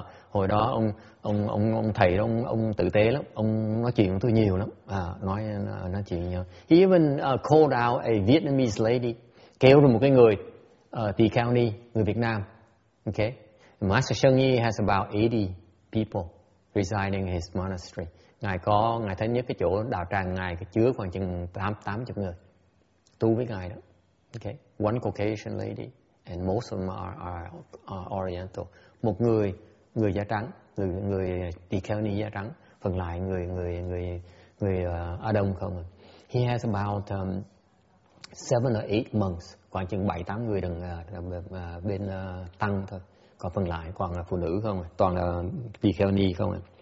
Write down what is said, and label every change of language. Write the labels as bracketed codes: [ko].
[vi] Hồi đó ông thầy đó ông tử tế lắm, ông nói chuyện với tôi nhiều lắm, nói chuyện nhiều. [en] He even called out a Vietnamese lady, [vi] kêu được một cái người tỳ kheo ni người Việt Nam. [en] Okay, Master Sheng Yi has about 80 people residing in his monastery. [vi] Ngài thấy nhất cái chỗ đạo tràng ngài chứa khoảng chừng 80 người tu với ngài đó. [en] Okay, one Caucasian lady and most of them are Oriental. [vi] Một người da trắng, người tỳ kheo ni da trắng, phần lại người A Đông không. [en] He has about 7 or 8 monks, [vi] khoảng chừng 7-8 người đằng bên tăng thôi, còn phần lại còn là phụ nữ không, toàn là tỳ kheo ni không.